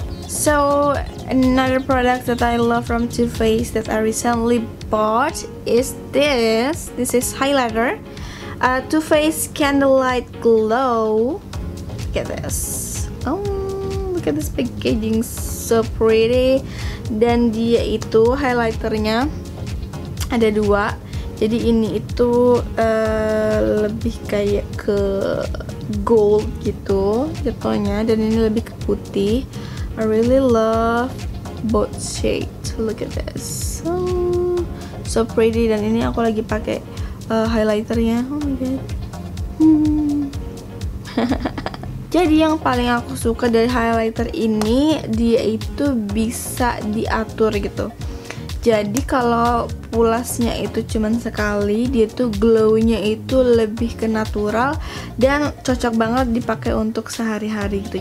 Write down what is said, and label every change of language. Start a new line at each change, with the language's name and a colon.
English: So another product that I love from Too Faced that I recently bought is this is highlighter. Too Faced Candlelight Glow. Look at this. Oh, look at this packaging, so pretty.
Indonesian: Dan dia itu highlighternya ada dua. Jadi ini itu lebih kayak ke gold gitu jatuhnya, dan ini lebih ke putih.
English: I really love both shades. Look at this. Oh, so pretty.
Indonesian: Dan ini aku lagi pakai highlighternya.
English: Oh my god.
Indonesian: Jadi yang paling aku suka dari highlighter ini dia itu bisa diatur gitu. Jadi kalau pulasnya itu cuman sekali, dia tuh glow-nya itu lebih ke natural dan cocok banget dipakai untuk sehari-hari gitu.